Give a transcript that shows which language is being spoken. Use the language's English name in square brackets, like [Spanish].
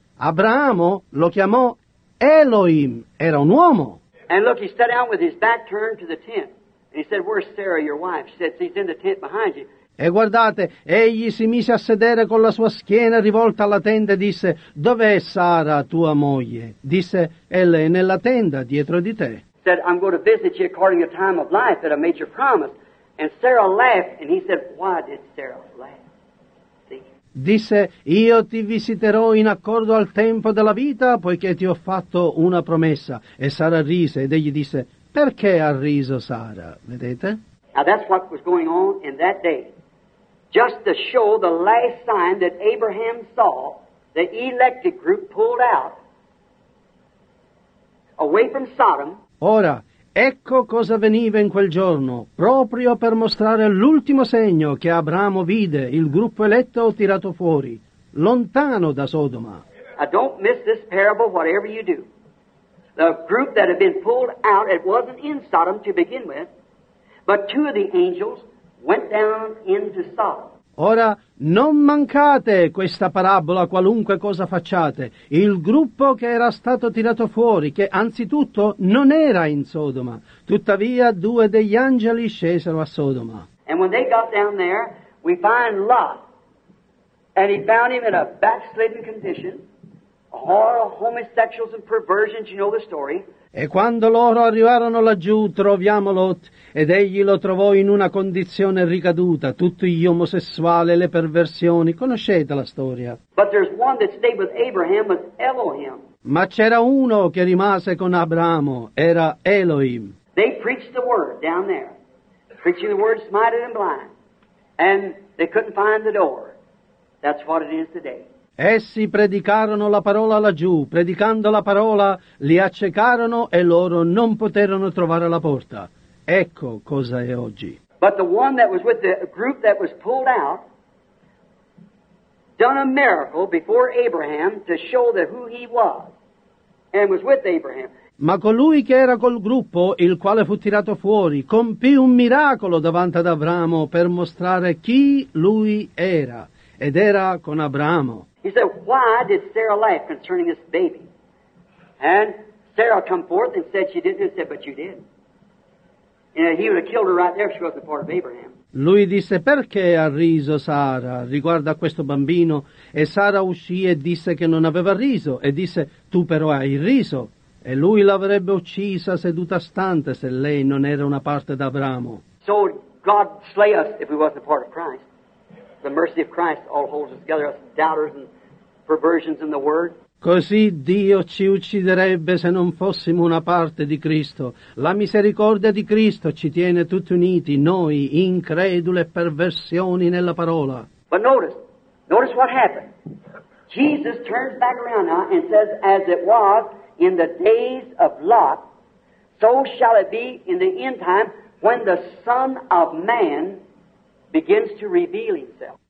[Italian] Abramo lo chiamò Elohim, era un uomo. [English] And look, he sat down with his back turned to the tent. And he said, where's Sarah, your wife? She said, she's in the tent behind you. [Italian] E guardate, egli si mise a sedere con la sua schiena rivolta alla tenda e disse, dov'è Sara, tua moglie? Disse, ella è nella tenda, dietro di te. [English] Said, I'm going to visit you according to time of life that I made your promise. And Sarah laughed, and he said, why did Sarah laugh? [Italian] Disse, io ti visiterò in accordo al tempo della vita, poiché ti ho fatto una promessa. E Sara rise, ed egli disse, perché ha riso Sara? Vedete? [English] Now that's what was going on in that day. Just to show the last sign that Abraham saw, the elected group pulled out, away from Sodom. [Italian] Ora, ecco cosa veniva in quel giorno, proprio per mostrare l'ultimo segno che Abramo vide, il gruppo eletto tirato fuori, lontano da Sodoma. [English] I don't miss this parable, whatever you do. The group that had been pulled out, it wasn't in Sodom to begin with, but two of the angels went down into Sodom. [Italian] Ora, non mancate questa parabola qualunque cosa facciate. Il gruppo che era stato tirato fuori, che anzitutto non era in Sodoma. Tuttavia, due degli angeli scesero a Sodoma. [English] And when they got down there, we find Lot. And he found him in a backslidden condition. All homosexuals and perversions, you know the story. [Italian] E quando loro arrivarono laggiù, troviamo Lot, ed egli lo trovò in una condizione ricaduta, tutti gli omosessuali, le perversioni, conoscete la storia. [English] But there's one that stayed with Abraham, with Elohim. [Italian] Ma c'era uno che rimase con Abramo, era Elohim. [English] They preached the word down there, preaching the word smited and blind, and they couldn't find the door. That's what it is today. [Italian] Essi predicarono la parola laggiù, predicando la parola li accecarono e loro non poterono trovare la porta. Ecco cosa è oggi. [English] But the one that was with the group that was pulled out done a miracle before Abraham to show that who he was and was with Abraham. [Italian] Ma colui che era col gruppo, il quale fu tirato fuori, compì un miracolo davanti ad Abramo per mostrare chi lui era, ed era con Abramo. [English] He said, why did Sarah laugh concerning this baby? And Sarah come forth and said she didn't, and said, but you did. And he would have killed her right there if she wasn't part of Abraham. [Italian] Lui disse, perché ha riso Sara riguardo a questo bambino? E Sara uscì e disse che non aveva riso, e disse, tu però hai riso. E lui l'avrebbe uccisa seduta stante se lei non era una parte d'Abramo. [English] So God slay us if we wasn't part of Christ. The mercy of Christ all holds us together, us doubters and perversions in the word. [Italian] Così Dio ci ucciderebbe se non fossimo una parte di Cristo. La misericordia di Cristo ci tiene tutti uniti, noi, incredule perversioni nella parola. [English] But notice, Notice what happened. Jesus turns back around now and says, as it was in the days of Lot, so shall it be in the end time when the Son of Man begins to reveal himself.